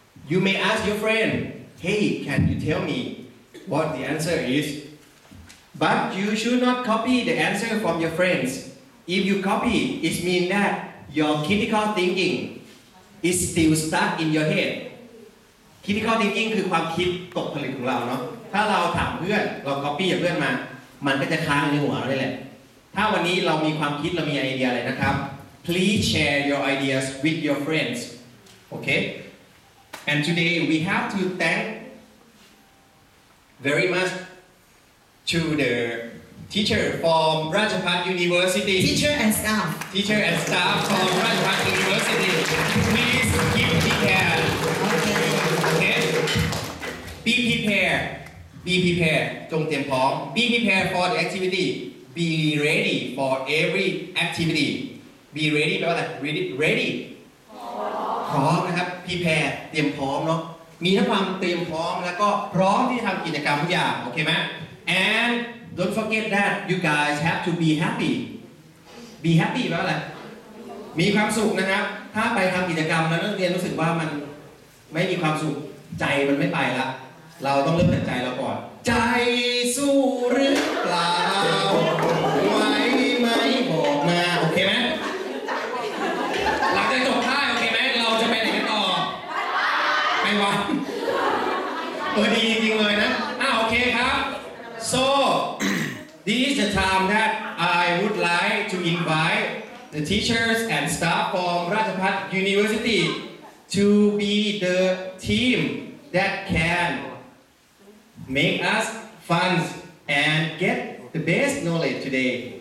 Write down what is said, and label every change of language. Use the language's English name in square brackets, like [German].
[English] You may ask your friend, hey, can you tell me what the answer is? But you should not copy the answer from your friends. If you copy, it means that your critical thinking is still stuck in your head. [Thai] Critical thinking คือความคิดตกผลึกของเราเนาะถ้าเราถามเพื่อนเรา copy จากเพื่อนมามันก็จะค้างในหัวเราเลยแหละถ้าวันนี้เรามีความคิดเรามีไอเดียอะไรนะครับ [English] please share your ideas with your friends. Okay? And today we have to thank very muchTo the teacher from Rajapat University. Teacher and staff. Teacher and staff from Rajapat University. Please give the hand. Okay. Be prepared. Be prepared. [Thai] จงเตรียมพร้อม. [English] Be prepared for the activity. Be ready for every activity. Be ready. [Thai] แปลว่าอะไร? [English] Ready. [Thai] พร้อมนะครับ. Prepare. เตรียมพร้อมเนาะ.มีทั้งความเตรียมพร้อมแล้วก็พร้อมที่จะทำกิจกรรมทุกอย่าง. [English] Okay, ma'am. And don't forget that you guys have to be happy. Be happy [Thai] แปลว่าอะไรมีความสุขนะครับถ้าไปทำกิจกรรมแล้วนักเรียนรู้สึกว่ามันไม่มีความสุขใจมันไม่ไปละเราต้องเริ่มจากใจเราก่อนใจสู้หรือเปล่าไหวไหมบอกมาโอเคไหมหลังจากจบท่าโอเคไหมเราจะไปไหนกันต่อ ไปวันดีจริงเลยนะโอเคครับ [English] So, this is the time that I would like to invite the teachers and staff from Rajapat University to be the team that can make us fun and get the best knowledge today.